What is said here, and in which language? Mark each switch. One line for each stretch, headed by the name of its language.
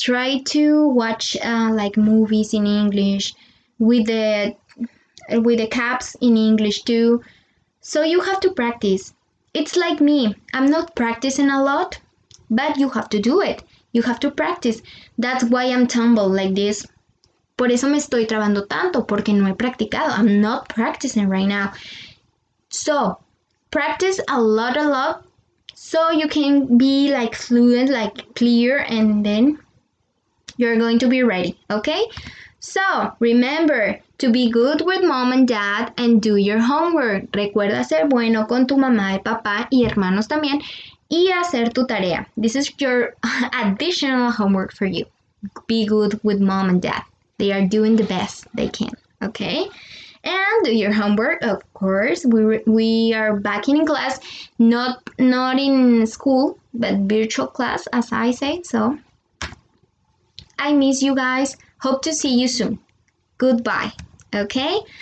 English: Try to watch like movies in English with the caps in English too. So you have to practice. It's like me. I'm not practicing a lot, but you have to do it. You have to practice. That's why I'm tumble like this.
Spanish: Por eso me estoy trabando tanto, porque no he practicado.
English: I'm not practicing right now. So, practice a lot, so you can be like fluent, like clear, and then you're going to be ready, okay? So, remember to be good with mom and dad and do your homework.
Spanish: Recuerda ser bueno con tu mamá y papá y hermanos también y hacer tu tarea.
English: This is your additional homework for you. Be good with mom and dad. They are doing the best they can, okay? And do your homework, of course. We are back in class, not in school, but virtual class, as I say. So, I miss you guys. Hope to see you soon. Goodbye. Okay?